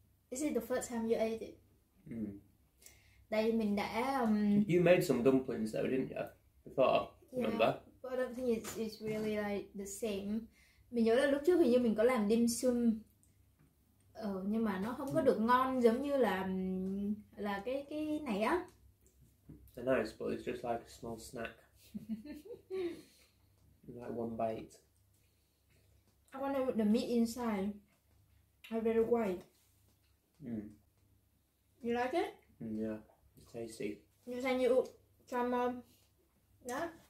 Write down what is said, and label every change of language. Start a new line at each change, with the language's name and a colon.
English: Is it the first time you ate it? Mm.
Vietnamese: Đây mình đã...
English: You made some dumplings though, didn't you? Before, remember? Yeah, but I don't think it's really like the same.
Vietnamese: Mình nhớ là lúc trước hình như mình có làm dim sum. Nhưng mà nó không có được ngon giống như là cái này á.
English: It's nice, but it's just like a small snack. Like one bite. I wonder what the meat inside. How very white. Mm. You like it? Mm, yeah, it's tasty. You saying you try more? Yeah?